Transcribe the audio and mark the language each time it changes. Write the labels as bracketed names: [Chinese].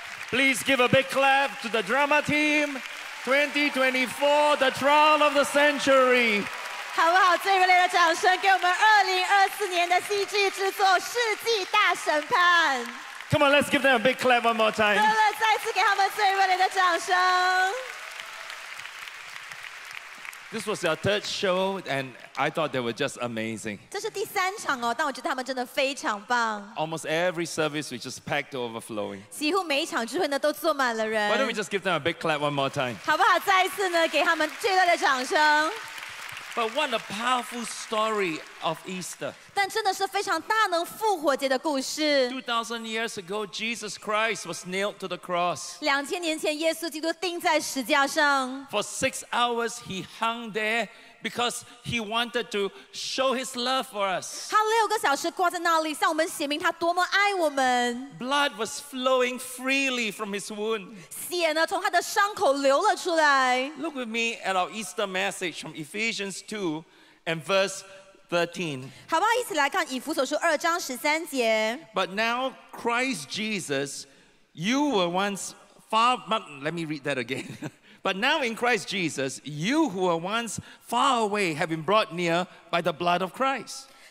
[English] Please give a big clap to the drama team. 2024, the trial of the century. [Chinese] 好不好，最热烈的掌声给我们2024年的戏剧制作世纪大审判。 [English] Come on, let's give them a big clap one more time. [Chinese] 对了，再次给他们最热烈的掌声。 [English] This was their third show, and I thought they were just amazing. [Chinese] 这是第三场哦，但我觉得他们真的非常棒。 [English] Almost every service was just packed to overflowing. [Chinese] 几乎每一场聚会呢都坐满了人。 [English] Why don't we just give them a big clap one more time? [Chinese] 好不好，再一次呢给他们最热烈的掌声。 [English] But what a powerful story of Easter. [Chinese] 但真的是非常大能复活节的故事。 [English] 2,000 years ago, Jesus Christ was nailed to the cross. [Chinese] 2,000年前耶稣基督钉在十字架上。 [English] For 6 hours, he hung there because he wanted to show his love for us. [Chinese] 他六个小时挂在那里，向我们显明他多么爱我们。 [English] Blood was flowing freely from his wound. [Chinese] 血呢，从他的伤口流了出来。 [English] Look with me at our Easter message from Ephesians 2 and verse 13. [Chinese] 好不好，一起来看以弗所书2章13节。 [English] But now Christ Jesus, you were once far, but let me read that again. But now in Christ Jesus, you who were once far away have been brought near by the blood of Christ.